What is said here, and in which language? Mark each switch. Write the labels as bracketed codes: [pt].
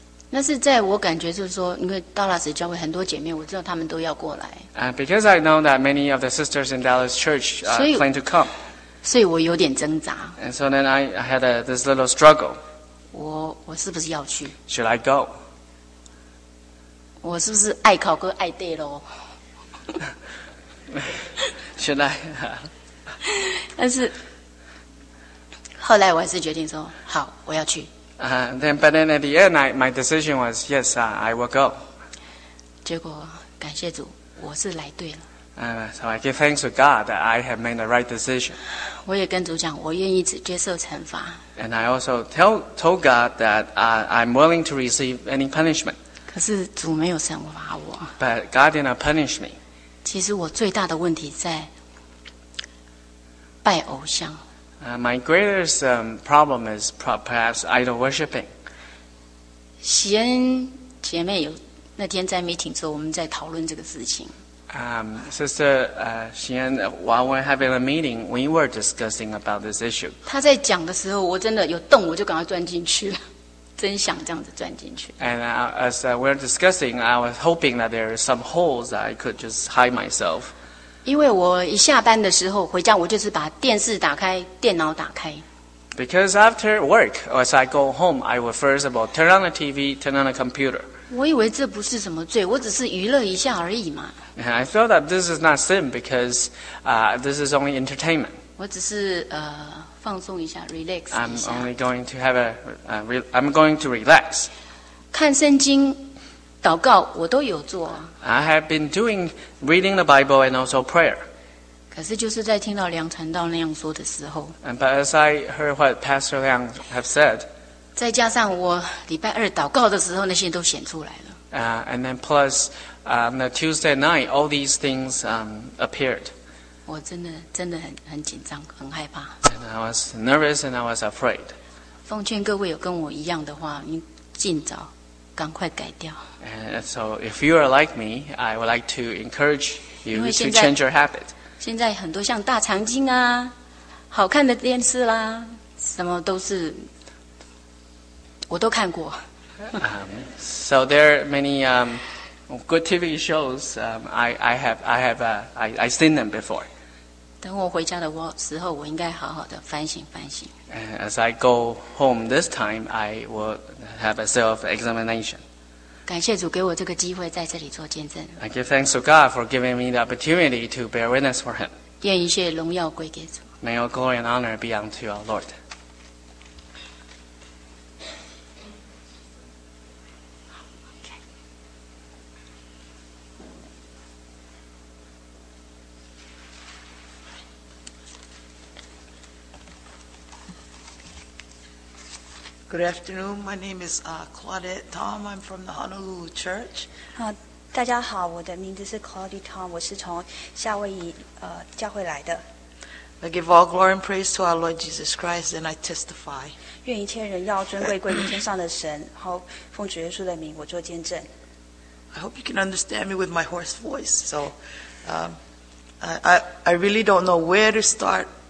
[zh] 那是在我感觉就是说，因为 Dallas 教会很多姐妹，我知道她们都要过来。 [en] Because I know that many of the sisters in Dallas Church plan to come. [zh] 所以我有点挣扎。 [en] And so then I had this little struggle. [zh] 我是不是要去 [en] ？Should I go? [zh] 我是不是爱考哥爱对喽？现在，但是后来我还是决定说好，我要去。 [en] But then at the end, my decision was yes, I will go. [zh] 结果感谢主，我是来对了。 [en] So I give thanks to God that I have made the right decision. [zh] 我也跟主讲，我愿意接受惩罚。 [en] And I also told God that I'm willing to receive any punishment. [zh] 可是主没有惩罚我。 [en] But God did not punish me. [zh] 其实我最大的问题在拜偶像。 [en] My greatest problem is perhaps idol worshiping. [zh] 喜恩姐妹有那天在 meeting 时候，我们在讨论这个事情。 [en] Sister, 喜恩 while we're having a meeting, we were discussing about this issue. [zh] 她在讲的时候，我真的有动，我就赶快钻进去了。真想这样子钻进去。 [en] And as we're discussing, I was hoping that there are some holes that I could just hide myself. [zh] 因为我一下班的时候回家，我就是把电视打开，电脑打开。 [en] Because after work, as I go home, I will first of all turn on the TV, turn on the computer. [zh] 我以为这不是什么罪，我只是娱乐一下而已嘛。 [en] And I thought that this is not sin because this is only entertainment. [zh] 我只是放松一下 ，relax 一下。 [en] I'm only going to have a. I'm going to relax. [zh] 看圣经、祷告，我都有做。 [en] I have been doing reading the Bible and also prayer. [zh] 可是就是在听到梁传道那样说的时候。 [en] And but as I heard what Pastor Liang have said. [zh] 再加上我礼拜二祷告的时候，那些都显出来了。 [en] And then plus on the Tuesday night, all these things appeared. [zh] 我真的很紧张，很害怕。 [en] And I was nervous and I was afraid. [zh] 奉劝各位有跟我一样的话，你尽早赶快改掉。 [en] And so if you are like me, I would like to encourage you to change your habit. [zh] 现在很多像大肠镜啊，好看的电视啦，什么都是，我都看过。 [en] So there are many good TV shows. I've seen them before. [zh] 等我回家的时候，我应该好好的反省反省。 [en] As I go home this time, I will have a self-examination. [zh] 感谢主给我这个机会在这里做见证。 [en] I give thanks to God for giving me the opportunity to bear witness for Him. [zh] 愿一切荣耀归给主。 [en] May all glory and honor be unto our Lord. Good afternoon. My name is Claudette Tom. I'm from the Honolulu Church. [zh] 大家好，我的名字是 Claudette Tom. 我是从夏威夷教会来的。 [en] I give all glory and praise to our Lord Jesus Christ, and I testify. [zh] 愿一切人要尊贵归于天上的神，然后奉主耶稣的名，我做见证。 [en] I hope you can understand me with my hoarse voice. So, I really don't know where to start.